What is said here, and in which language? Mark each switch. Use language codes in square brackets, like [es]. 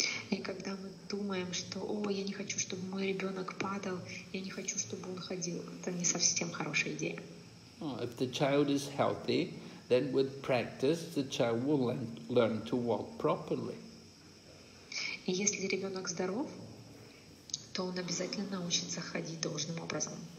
[ru] И когда мы думаем, что, о, я не хочу, чтобы мой ребенок падал, я не хочу, чтобы он ходил, это не совсем хорошая идея. [en] Oh, if the child is healthy, then with practice, the child will learn to walk properly. [ru] И если ребенок здоров, то он обязательно научится ходить должным образом.